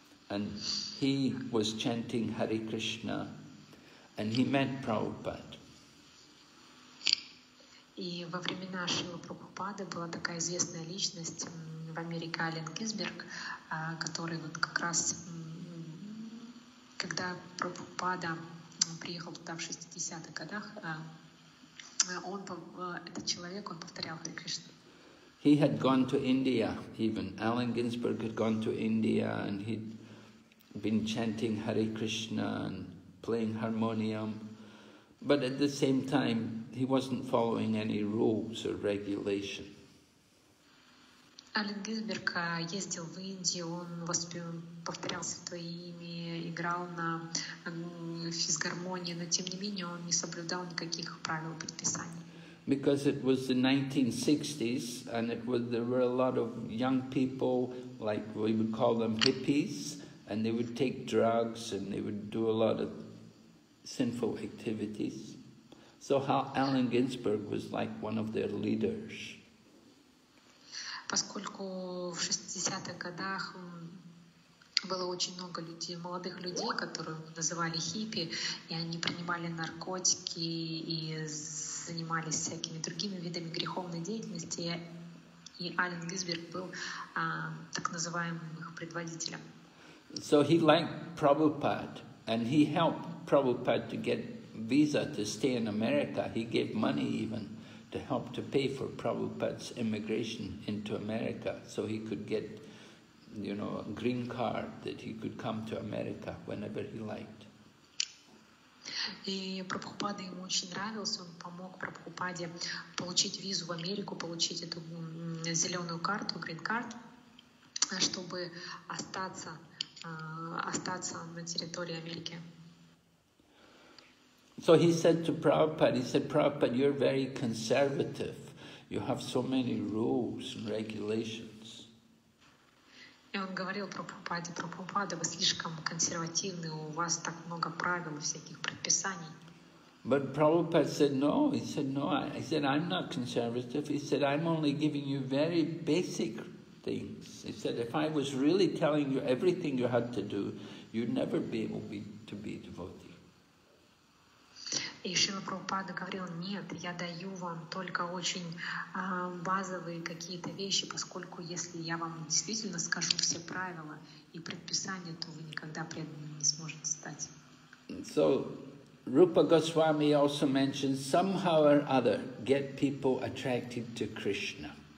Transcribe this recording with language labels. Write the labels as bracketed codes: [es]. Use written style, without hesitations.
[en] And he was chanting Hare Krishna, and he met Prabhupada. [ru] И во времена Шрилы Прабхупады была такая известная личность в Америке Аллен Гинзберг, который вот как раз, когда Прабхупада приехал туда в 60-х годах, он, этот человек, он повторял Хари Кришну. [en] He had gone to India, even Allen Ginsberg had gone to India, and he'd been chanting Hare Krishna and playing harmonium. But at the same time, he wasn't following any rules or regulation. [ru] Аллен Гинзберг ездил в Индию, он повторял святое имя, играл на физгармонии, но тем не менее он не соблюдал никаких правил предписаний. [en] Because it was the 1960s, and there were a lot of young people, like we would call them hippies, and they would take drugs and they would do a lot of sinful activities. So how Allen Ginsberg was like one of their leaders. [ru] Поскольку в 60-х годах было очень много людей, молодых людей, которые называли хиппи, и они принимали наркотики и занимались всякими другими видами греховной деятельности, и Аллен Гинзберг был так называемым их предводителем. [en] So he liked Prabhupada, and he helped Prabhupada to get visa to stay in America. He gave money even to help to pay for Prabhupada's immigration into America, so he could get, you know, a green card that he could come to America whenever he liked. [ru] И Прабхупада ему очень нравился, он помог Прабхупаде получить визу в Америку, получить эту зеленую карту, green card, чтобы остаться на территории Америки. [en] So he said to Prabhupada, he said, Prabhupada, you're very conservative. You have so many rules and regulations. [ru] И он говорил Прабхупаде, вы слишком консервативны, у вас так много правил и всяких предписаний. [en] But Prabhupada said, no, he said, no, I said, I'm not conservative. He said, I'm only giving you very basic things. He said, if I was really telling you everything you had to do, you'd never be able to be a devotee. [ru] И Шрила Прабхупада говорил, нет, я даю вам только очень базовые какие-то вещи, поскольку если я вам действительно скажу все правила и предписания, то вы никогда преданным не сможете стать. [en] So, Rupa Goswami also mentioned, somehow or other, get people attracted to Krishna.